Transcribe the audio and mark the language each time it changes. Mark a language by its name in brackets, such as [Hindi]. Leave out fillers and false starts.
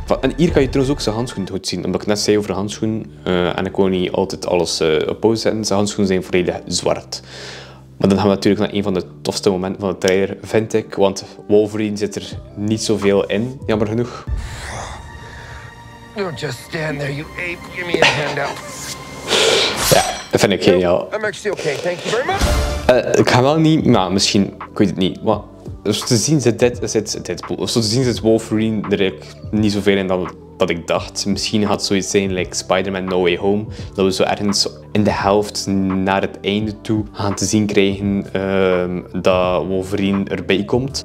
[Dutch] En hier kan je trouwens ook zijn handschoenen goed zien. Omdat ik net zei over handschoenen. En ik wil niet altijd alles op pauze zetten. Zijn handschoenen zijn volledig zwart. Maar dan gaan we natuurlijk naar een van de tofste momenten van de trailer, vind ik. Want Wolverine zit er niet zoveel in, jammer genoeg. [English] Don't just stand there, you ape. Give me a handout. [Dutch] Ja, dat vind ik geniaal. [English] I'm actually okay, thank you very much. [Dutch] Ik ga wel niet, maar misschien, ik weet het niet. Maar, zo te zien zit Deadpool. Zo te zien zit Wolverine er eigenlijk niet zoveel in dat ik dacht. Misschien had zoiets zijn like Spider-Man No Way Home. Dat we zo ergens in de helft naar het einde toe gaan te zien krijgen dat Wolverine erbij komt.